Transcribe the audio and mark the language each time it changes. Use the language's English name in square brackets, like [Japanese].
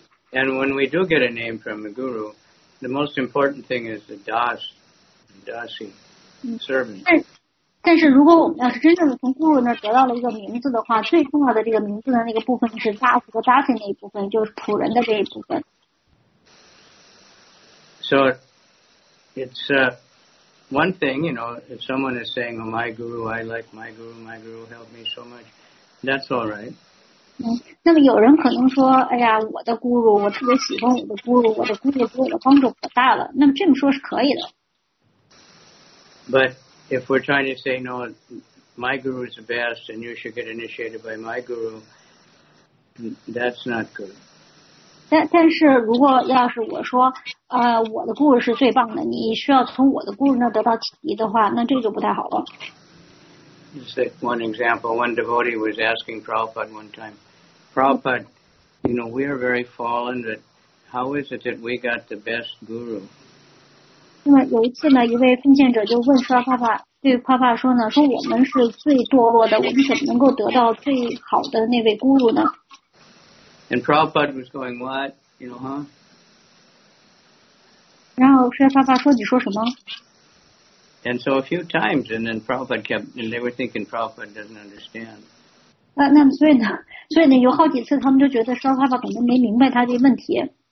[English] And when we do get a name from a guru, the most important thing is the das, dasi, servant. [Chinese] 但是如果我们要是真正的从guru那儿得到了一个名字的话，最重要的这个名字的那个部分是 das 和 dasi 那一部分，就是仆人的这一部分。 [English] So it's one thing, you know, if someone is saying, oh, my guru, I like my guru helped me so much, that's all right. [Chinese] 那么有人可能说，哎呀，我的咕噜，我特别喜欢我的咕噜，我的咕噜给我的帮助可大了。那么这么说是可以的。 [English] But if we're trying to say no, my guru is the best, and you should get initiated by my guru, that's not good. [Chinese] 但是如果要是我说，我的咕噜是最棒的，你需要从我的咕噜那得到启迪的话，那这就不太好了。 [English] One example, one devotee was asking Prabhupada one time, Prabhupada, you know, we are very fallen, but how is it that we got the best guru? [Chinese] 那么有一次呢，一位奉献者就问说，爸爸对夸爸说呢，说我们是最堕落的，我们怎么能够得到最好的那位guru呢？ [English] And Prabhupada was going, what? You know, huh? [Chinese] 然后说爸爸说，你说什么？ [English] And so a few times, and then Prabhupada kept, and they were thinking Prabhupada doesn't understand. [Chinese] 那所以呢，有好几次他们就觉得说爸爸可能没明白他的问题。